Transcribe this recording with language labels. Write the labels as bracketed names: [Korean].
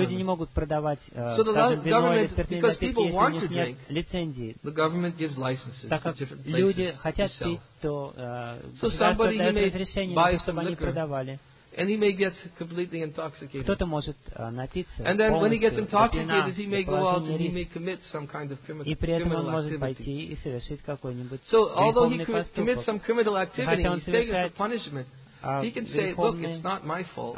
[Russian] Люди не могут продавать, скажем, вино или спиртные напитки, если у них нет лицензии. [English] The government gives licenses. [Russian] Так как люди хотят пить, то государство дает разрешение, чтобы они продавали. [English] And he may get completely intoxicated. [Russian] Кто-то может напиться. [English] And then when he gets intoxicated, he may go out and he may commit some kind of criminal activity. [Russian] И при этом он может пойти и совершить какой-нибудь. [English] So although he could commit some criminal activity, he's taking the punishment. He can say, look, it's not my fault.